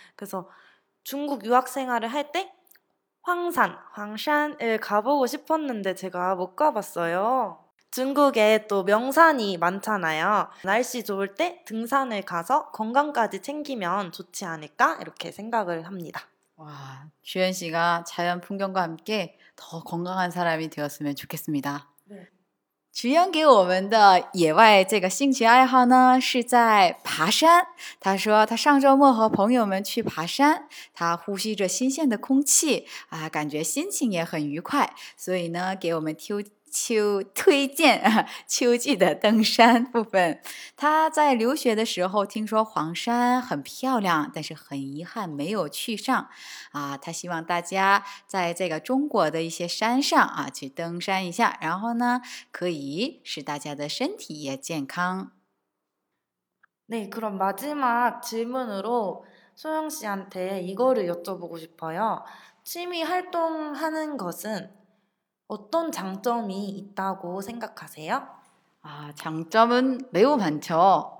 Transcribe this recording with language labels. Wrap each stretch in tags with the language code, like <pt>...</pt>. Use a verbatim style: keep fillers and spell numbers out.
<ko>그래서 중국 유학 생활을 할 때 황산, 황산을 가보고 싶었는데 제가 못 가봤어요. 중국에 또 명산이 많잖아요. 날씨 좋을 때 등산을 가서 건강까지 챙기면 좋지 않을까 이렇게 생각을 합니다. 와, 주연 씨가 자연 풍경과 함께 더 건강한 사람이 되었으면 좋겠습니다.</ko> <zh>菊渊给我们的野外这个兴趣爱好呢，是在爬山。他说他上周末和朋友们去爬山，他呼吸着新鲜的空气啊，感觉心情也很愉快。所以呢，给我们秋秋推荐啊秋季的登山部分。他在留学的时候听说黄山很漂亮，但是很遗憾没有去上。啊，他希望大家在这个中国的一些山上啊去登山一下，然后呢，可以使大家的身体也健康。</zh> <ko>네, 그럼 마지막 질문으로 소영 씨한테 이거를 여쭤보고 싶어요. 취미 활동하는 것은 어떤 장점이 있다고 생각하세요? 아, 장점은 매우 많죠.</ko>